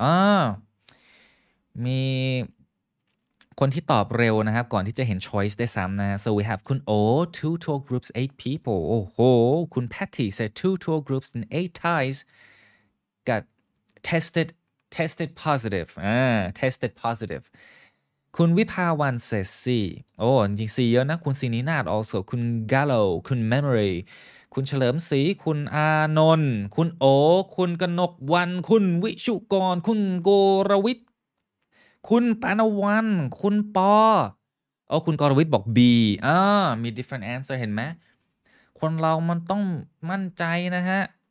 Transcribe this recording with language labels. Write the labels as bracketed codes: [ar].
[th] Oh, มีคนที่ตอบเร็วนะครับก่อนที่จะเห็น choice ได้ซ้ำนะ [en] So we have [th] คุณโอ [en] 2 tour groups, 8 people. [th] โอ้โห [en] คุณ Patty said 2 tour groups and 8 Thais got tested positive. Tested positive. [th] คุณวิภาวัน [en] says C. Oh, [th] จริง C เยอะนะคุณศรีนาถ also คุณ Gallo คุณ Memory คุณเฉลิมศรีคุณอานนท์คุณโอคุณกนกวันคุณวิชุกรคุณโกรวิทย์คุณปานวันคุณปอคุณกรวิทย์บอก B มี [en] different answer [th] เห็นไหมคนเรามันต้องมั่นใจนะฮะ